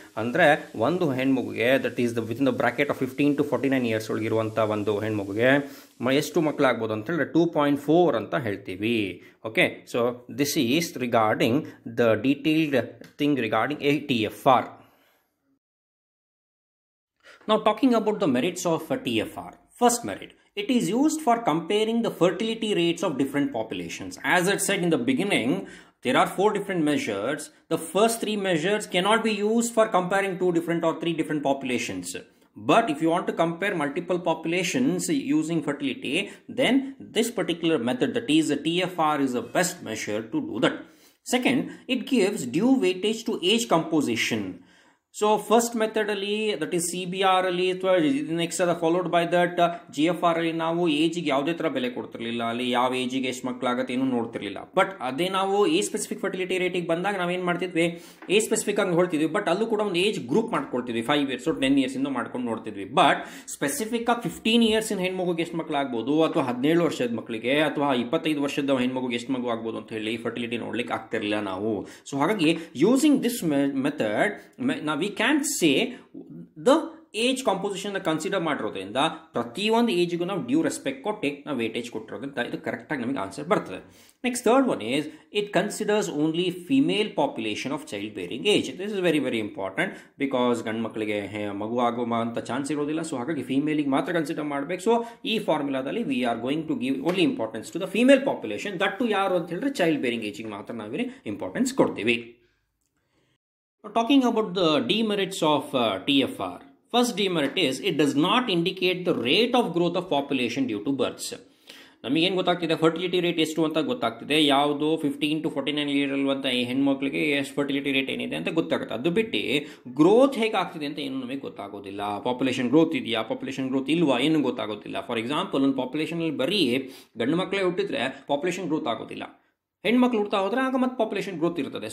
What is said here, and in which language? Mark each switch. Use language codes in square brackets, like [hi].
[kn] ಅಂದರೆ ಒಂದು ಹೆಣ್ಮಗುಗೆ, [en] that is the within the bracket of [kn] 15 to 49 years ಒಳಗಿರುವಂಥ ಒಂದು ಹೆಣ್ಮಗುಗೆ ಎಷ್ಟು ಮಕ್ಕಳಾಗ್ಬೋದು ಅಂತ ಹೇಳಿದ್ರೆ 2.4 ಅಂತ ಹೇಳ್ತೀವಿ. [en] Okay, so this is regarding the detailed thing regarding TFR. ನಾವು talking about the merits of TFR. First merit, it is used for comparing the fertility rates of different populations. As I said in the beginning, there are 4 different measures. The first 3 measures cannot be used for comparing 2 different or 3 different populations. But if you want to compare multiple populations using fertility, then this particular method, that is the TFR, is the best measure to do that. Second, it gives due weightage to age composition. [kn] So first method ಅಲ್ಲಿ, that is CBR ಅಲ್ಲಿ, ಅಥವಾ next ಅದ followed by that GFR ಅಲ್ಲಿ, ನಾವು ಏಜಿಗೆ ಯಾವುದೇ ಥರ ಬೆಲೆ ಕೊಡ್ತಿರ್ಲಿಲ್ಲ. ಅಲ್ಲಿ ಯಾವ ಏಜಿಗೆ ಎಷ್ಟು ಮಕ್ಕಳಾಗತ್ತೆ ಏನು ನೋಡ್ತಿರ್ಲಿಲ್ಲ. ಬಟ್ ಅದೇ ನಾವು ಏಜ್ ಸ್ಪೆಸಿಫಿಕ್ ಫರ್ಟಿಲಿಟಿ ರೇಟಿಗೆ ಬಂದಾಗ ನಾವೇನು ಮಾಡ್ತಿದ್ವಿ, ಏಜ್ ಸ್ಪೆಸಿಫಿಕ್ ಹಂಗೆ ಹೊಳ್ತಿದ್ವಿ. ಬಟ್ ಅಲ್ಲೂ ಕೂಡ ಒಂದು age group ಮಾಡ್ಕೊಳ್ತಿದ್ವಿ, 5 years to 10 years ಇಂದ ಮಾಡ್ಕೊಂಡು ನೋಡ್ತಿದ್ವಿ. ಬಟ್ ಸ್ಪೆಸಿಫಿಕ್ಕಾಗಿ 15 years ಹೆಣ್ಮಗುಗೆ ಎಷ್ಟು ಮಕ್ಕಳಾಗ್ಬೋದು, ಅಥವಾ 17 ಮಕ್ಕಳಿಗೆ, ಅಥವಾ 25 ಹೆಣ್ಮಗುಗೆ ಎಷ್ಟು ಮಗು ಆಗ್ಬೋದು ಅಂತ ಹೇಳಿ ಫರ್ಟಿಲಿಟಿ ನೋಡ್ಲಿಕ್ಕೆ ಆಗ್ತಿರಲಿಲ್ಲ ನಾವು. ಸೊ ಹಾಗಾಗಿ ಯೂಸಿಂಗ್ ದಿಸ್ ಮೆಥಡ್ ನಾವು [en] we can say [kn] the age composition consider ಮಾಡಿರೋದ್ರಿಂದ ಪ್ರತಿಯೊಂದು ಏಜ್ಗೂ ನಾವು ಡ್ಯೂ ರೆಸ್ಪೆಕ್ಟ್ ಕೊಟ್ಟು ನಾವು ವೇಟೇಜ್ ಕೊಟ್ಟಿರೋದ್ರಿಂದ ಇದು ಕರೆಕ್ಟಾಗಿ ನಮಗೆ ಆನ್ಸರ್ ಬರ್ತದೆ. [en] Next third one is it considers only female population of child bearing age. This is very very important because [kn] ಗಂಡು ಮಕ್ಕಳಿಗೆ ಮಗು ಆಗುವ ಅಂತ ಚಾನ್ಸ್ ಇರೋದಿಲ್ಲ. ಸೊ ಹಾಗಾಗಿ ಫಿಮೇಲಿಗೆ ಮಾತ್ರ ಕನ್ಸಿಡರ್ ಮಾಡಬೇಕು. ಸೊ ಈ ಫಾರ್ಮುಲಾದಲ್ಲಿ [en] We are going to give only importance to the female population. [kn] That to ಯಾರು ಅಂತ ಹೇಳಿದ್ರೆ ಚೈಲ್ಡ್ ಬೇರಿಂಗ್ ಏಜಿಗೆ ಮಾತ್ರ ನಾವೇ ಇಂಪಾರ್ಟೆನ್ಸ್ ಕೊಡ್ತೀವಿ. [en] Talking about the demerits of TFR. First demerit is, it does not indicate the rate of growth of population due to births. [kn] ನಮಗೇನು ಗೊತ್ತಾಗ್ತಿದೆ, fertility rate ಎಷ್ಟು ಅಂತ ಗೊತ್ತಾಗ್ತಿದೆ. ಯಾವುದು 15 to 49 ಇಯರ್ ಇರುವಂಥ ಈ ಹೆಣ್ಮಕ್ಳಿಗೆ ಎಷ್ಟು ಫರ್ಟಿಲಿಟಿ ರೇಟ್ ಏನಿದೆ ಅಂತ ಗೊತ್ತಾಗುತ್ತೆ. ಅದು ಬಿಟ್ಟು ಗ್ರೋತ್ ಹೇಗಾಗ್ತಿದೆ ಅಂತ ಏನು ನಮಗೆ ಗೊತ್ತಾಗೋದಿಲ್ಲ. ಪಾಪ್ಯುಲೇಷನ್ ಗ್ರೋತ್ ಇದೆಯಾ, ಪಾಪ್ಯುಲೇಷನ್ ಗ್ರೋತ್ ಇಲ್ವಾ ಏನು ಗೊತ್ತಾಗೋದಿಲ್ಲ. ಫಾರ್ ಎಕ್ಸಾಂಪಲ್, ಒಂದು ಪಾಪ್ಯುಲೇಷನಲ್ಲಿ ಬರೀ ಗಂಡು ಮಕ್ಕಳೇ ಹುಟ್ಟಿದ್ರೆ ಪಾಪ್ಯುಲೇಷನ್ ಗ್ರೋತ್ ಆಗೋದಿಲ್ಲ, ಹೆಣ್ಮಕ್ಳು ಹುಡ್ತಾ ಹೋದರೆ ಆಗ ಮತ್ತೆ ಪಾಪ್ಯುಲೇಷನ್ ಗ್ರೋತ್ ಇರ್ತದೆ.